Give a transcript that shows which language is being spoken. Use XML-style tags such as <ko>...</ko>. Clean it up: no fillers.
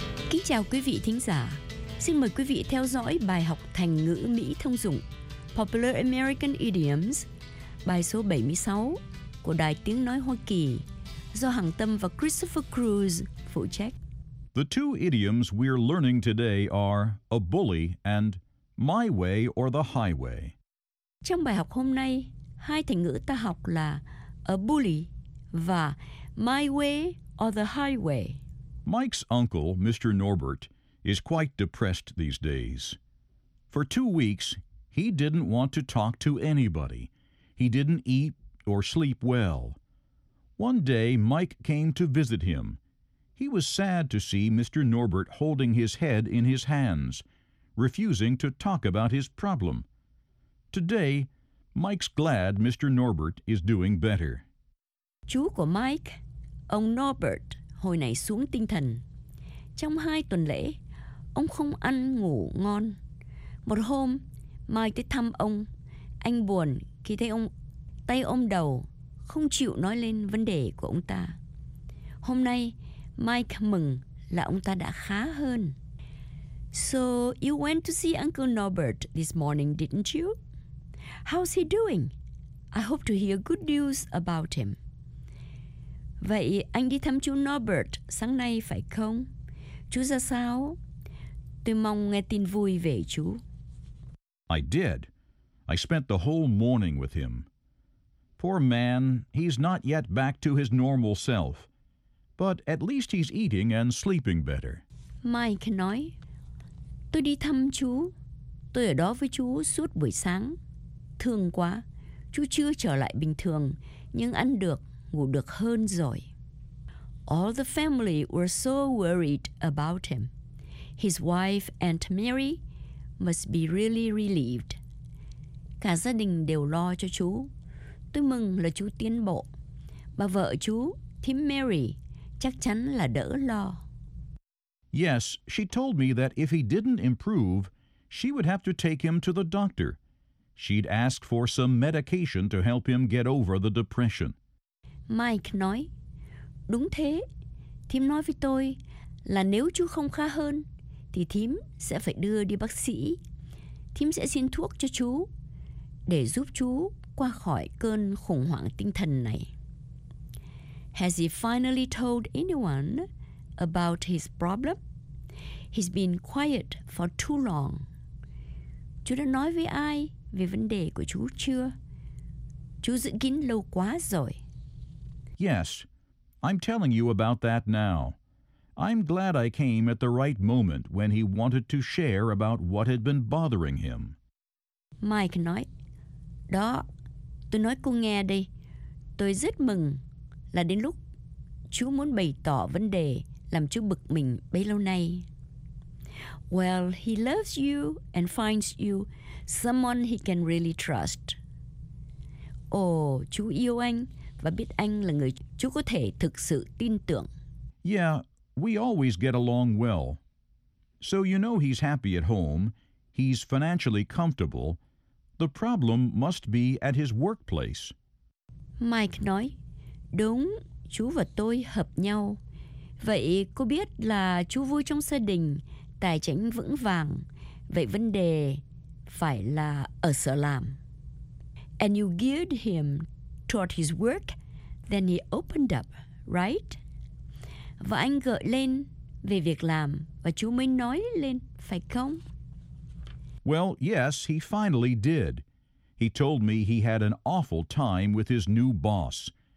<vi>Kính chào quý vị thính giả. Xin mời quý vị theo dõi bài học thành ngữ Mỹ thông dụng</vi> <en>Popular American Idioms,</en> <vi>bài số 76 của Đài Tiếng Nói Hoa Kỳ, do Hằng Tâm và Christopher Cruz phụ trách.</vi> <en>The two idioms we're learning today are a bully and my way or the highway.</en> <vi>Trong bài học hôm nay, hai thành ngữ ta học là a bully và</vi> <en>my way or the highway. Mike's uncle, Mr. Norbert, is quite depressed these days. For 2 weeks, he didn't want to talk to anybody. He didn't eat or sleep well. One day, Mike came to visit him. He was sad to see Mr. Norbert holding his head in his hands, refusing to talk about his problem. Today, Mike's glad Mr. Norbert is doing better.</en> <vi>Chú của Mike, ông Norbert, hồi này xuống tinh thần. Trong 2 tuần lễ, ông không ăn ngủ ngon. Một hôm, Mai tới thăm ông. Anh buồn khi thấy ông tay ôm đầu, không chịu nói lên vấn đề của ông ta. Hôm nay Mike mừng là ông ta đã khá hơn.</vi> <en>So you went to see Uncle Norbert this morning, didn't you? How's he doing? I hope to hear good news about him.</en> <vi>Vậy anh đi thăm chú Norbert sáng nay phải không? Chú ra sao? Tôi mong nghe tin vui về chú.</vi> <en>I did. I spent the whole morning with him. Poor man, he's not yet back to his normal self. But at least he's eating and sleeping better.</en> <vi>Mike nói, tôi đi thăm chú. Tôi ở đó với chú suốt buổi sáng. Thương quá, chú chưa trở lại bình thường, nhưng ăn được, ngủ được hơn rồi.</vi> <en>All the family were so worried about him. His wife, Aunt Mary, must be really relieved.</en> <vi>Cả gia đình đều lo cho chú. Tôi mừng là chú tiến bộ. Bà vợ chú, Thím Mary, chắc chắn là đỡ lo.</vi> <en>Yes, she told me that if he didn't improve, she would have to take him to the doctor. She'd ask for some medication to help him get over the depression.</en> <vi>Mike nói, đúng thế. Thím nói với tôi là nếu chú không khá hơn, thì thím sẽ phải đưa đi bác sĩ. Thím sẽ xin thuốc cho chú để giúp chú qua khỏi cơn khủng hoảng tinh thần này.</vi> <en>Has he finally told anyone about his problem? He's been quiet for too long.</en> <vi>Chú đã nói với ai về vấn đề của chú chưa? Chú giữ kín lâu quá rồi.</vi> <en>Yes, I'm telling you about that now. I'm glad I came at the right moment when he wanted to share about what had been bothering him.</en> <vi>Mike nói, đó, tôi nói cô nghe đây. Tôi rất mừng là đến lúc chú muốn bày tỏ vấn đề làm chú bực mình bấy lâu nay.</vi> <en>Well, he loves you and finds you someone he can really trust.</en> <vi>Ồ, chú yêu anh và biết anh là người chú có thể thực sự tin tưởng.</vi> <en>Yeah, we always get along well. So you know he's happy at home, he's financially comfortable. The problem must be at his workplace.</en> <vi>Mike nói, đúng, chú và tôi hợp nhau. Vậy cô biết là chú vui trong gia đình, tài chính vững vàng. Vậy vấn đề phải là ở sở làm.</vi> <en>And you geared him toward his work, then he opened up, right?</en> <vi>Và anh gợi lên về việc làm và chú mới nói lên, phải không?</vi> <en>Well, yes, he finally did. He told me he had an awful time with his new boss.</en>